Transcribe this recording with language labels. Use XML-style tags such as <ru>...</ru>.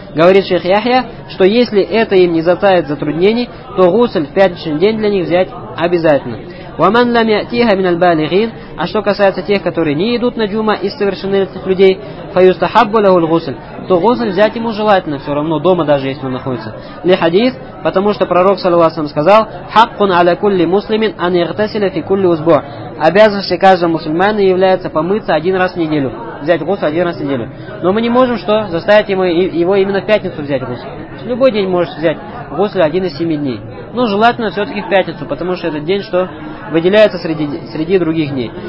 <ru>Говорит шейх Яхья, что если это им не заставит затруднений, то гусль в пятничный день для них взять обязательно.</ru> <ar>وَمَنْ لَمْ يَأْتِيهَ مِنَ الْبَالِغِينَ.</ar> <ru>А что касается тех, которые не идут на джума из совершеннолетних людей,</ru> <ar>فَيُسْتَحَبُّ لَهُ الْغُسْلِ,</ar> <ru>то гусль взять ему желательно все равно, дома даже, если он находится.</ru> <ar>لِحَدِيثِ,</ar> <ru>потому что пророк саллаллаху сказал,</ru> <ar>حَقٌ عَلَى كُلِّ مُسْلِمٍ أَنْ يَغْتَسِلَ فِي كُلِّ أُسْبُوعٍ.</ar> <ru>Обязанности каждого мусульмана является помыться один раз в неделю, взять гусль один раз в неделю. Но мы не можем что? Заставить его именно в пятницу взять гусль. Любой день можешь взять гусль один из семи дней. Но желательно все-таки в пятницу, потому что этот день что? Выделяется среди других дней.</ru>